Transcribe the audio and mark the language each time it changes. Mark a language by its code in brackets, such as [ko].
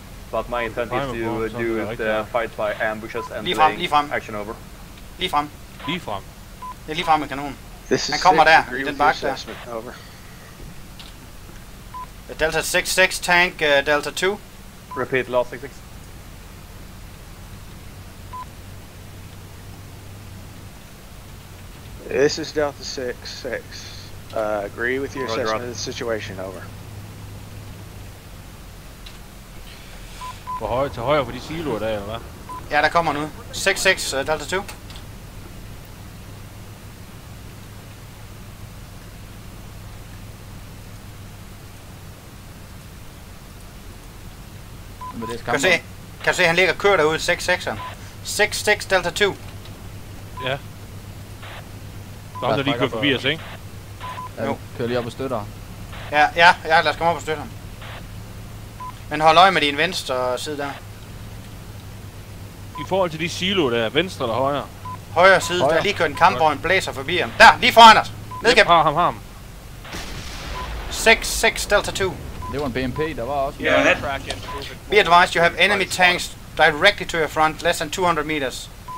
[en] But my intent is to do it fight by ambushes and [da] lige frem. [en] Action over. [da] Lige frem. Det er lige frem med kanonen. Han kommer der, den bakke der. [en] Delta 66 tank, Delta 2. Repeat, last 66. This is Delta 66. Agree with your assessment of the situation, over. [da] På højre, til højre på de siloer der, eller hvad? Ja, der kommer nu. 66, Delta 2. Kan du se, han ligger og kører derude, 6-6'eren. [en] 6-6, Delta 2. [da] Ja. Så har han lige kørt forbi os, ikke? Ja, jo. Kører lige op og støtter. Ja, lad os komme op og støtte ham. Men hold øje med din venstre side der. I forhold til de silo der, venstre eller højre? højre side, højre. Der lige kørte en kampvogn, blæser forbi ham. Der, lige foran os. Nedkæmpe. Yep, har ham. [en] 6-6 Delta 2. [da] Det var en BMP, der var også. [en] Yeah. Be advised, you have enemy tanks directly to your front, less than 200 meters.